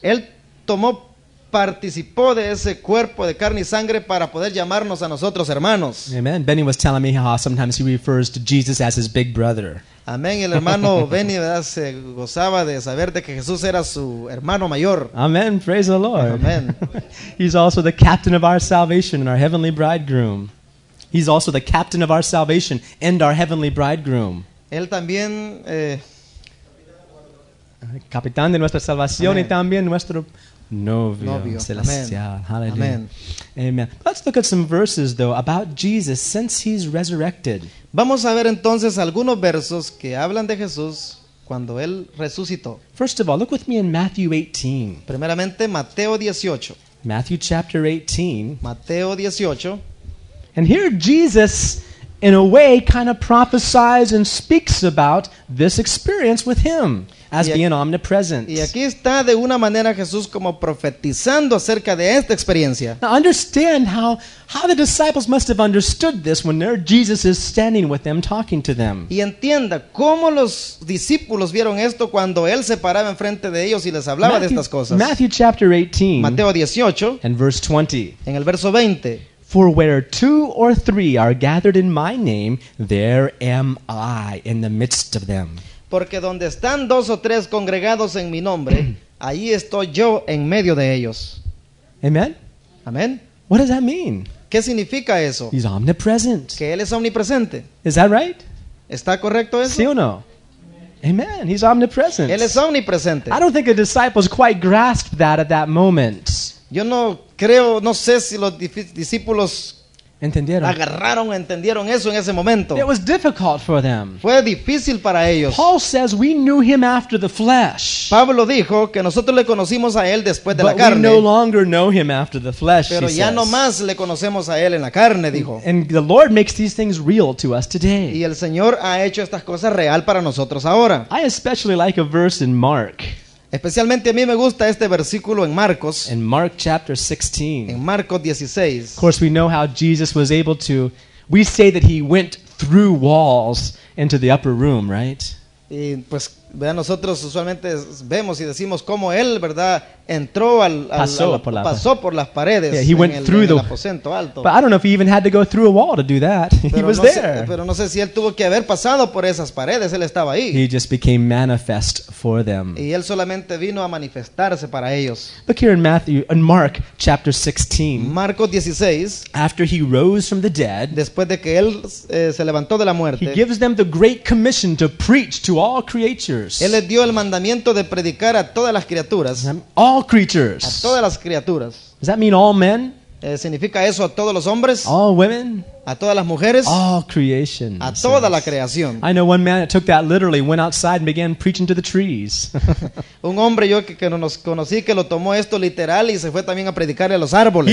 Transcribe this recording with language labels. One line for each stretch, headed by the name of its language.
Spanish: Él participó de ese cuerpo de carne y sangre para poder llamarnos a nosotros hermanos.
English: Amen. Benny was telling me how sometimes he refers to Jesus as his big brother.
Spanish: Amén, el hermano Benny, ¿verdad? Se gozaba de saber de que Jesús era su hermano mayor.
English: Amen, praise the Lord. Amen. He's also the captain of our salvation and our heavenly bridegroom. He's also the captain of our salvation and our heavenly bridegroom.
Spanish: Él también capitán de nuestra salvación. Amen. Y también nuestro novio celestial.
English: Hallelujah. Amen. Amen. Let's look at some verses though about Jesus since he's resurrected.
Spanish: Vamos a ver entonces algunos versos que hablan de Jesús cuando él resucitó.
English: First of all, look with me in Matthew 18.
Spanish: Primeramente Mateo 18.
English: Matthew chapter 18.
Spanish: Mateo 18.
English: And here Jesus in a way kind of prophesies and speaks about this experience with him as aquí, being omnipresent.
Spanish: Y aquí está de una manera Jesús como profetizando acerca de esta experiencia.
English: Now understand how the disciples must have understood this when there Jesus is standing with them talking to them.
Spanish: Y entienda cómo los discípulos vieron esto cuando él se paraba enfrente de ellos y les hablaba
English: Matthew,
Spanish: de estas cosas.
English: Matthew chapter 18.
Spanish: Mateo 18.
English: And verse 20.
Spanish: En el verso 20.
English: For where two or three are gathered in my name, there am I in the midst of them.
Spanish: Porque donde están dos o tres congregados en mi nombre, ahí estoy yo en medio de ellos. Amen. Amen.
English: What does that mean?
Spanish: ¿Qué significa eso?
English: He's omnipresent.
Spanish: Que él es omnipresente.
English: Is that right?
Spanish: ¿Está correcto eso? ¿Sí o no? Amen.
English: He's omnipresent.
Spanish: Él es omnipresente.
English: I don't think the disciples quite grasped that at that moment.
Spanish: Yo no creo, no sé si los discípulos entendieron. Agarraron, entendieron eso en ese momento.
English: It was difficult for them.
Spanish: Fue difícil para ellos.
English: Paul says we knew him after the flesh.
Spanish: Pablo dijo que nosotros le conocimos a él después de
English: but
Spanish: la carne.
English: We no longer know him after the flesh.
Spanish: Pero
English: he
Spanish: ya
English: says.
Spanish: No más le conocemos a él en la carne, dijo.
English: And the Lord makes these things real to us today.
Spanish: Y el Señor ha hecho estas cosas real para nosotros ahora.
English: I especially like a verse in Mark.
Spanish: Especialmente a mí me gusta este versículo en Marcos.
English: In Mark chapter 16.
Spanish: En Marcos 16.
English: Of course, we know how Jesus was able to. We say that he went through walls into the upper room, right?
Spanish: Y pues, ¿verdad? Nosotros usualmente vemos y decimos cómo él, ¿verdad? Entró pasó por las paredes.
English: Yeah, he went through
Spanish: el aposento alto.
English: But I don't know if he even had to go through a wall to do that. He was there.
Spanish: Pero no sé si él tuvo que haber pasado por esas paredes. Él estaba ahí.
English: He just became manifest for them.
Spanish: Y él solamente vino a manifestarse para ellos.
English: Look here in Matthew and Mark chapter 16.
Spanish: Marcos 16.
English: After he rose from the dead.
Spanish: Después de que él se levantó de la muerte.
English: He gives them the great commission to preach to all creatures.
Spanish: Él les dio el mandamiento de predicar a todas las criaturas.
English: All creatures.
Spanish: A todas las criaturas.
English: Does that mean all men?
Spanish: ¿Significa eso a todos los hombres?
English: All women?
Spanish: A todas las mujeres?
English: All creation.
Spanish: A toda la creación.
English: I know one man that took that literally, went outside and began preaching to the trees.
Spanish: Un hombre yo que no nos conocí que lo tomó esto literal y se fue también a predicarle a los árboles.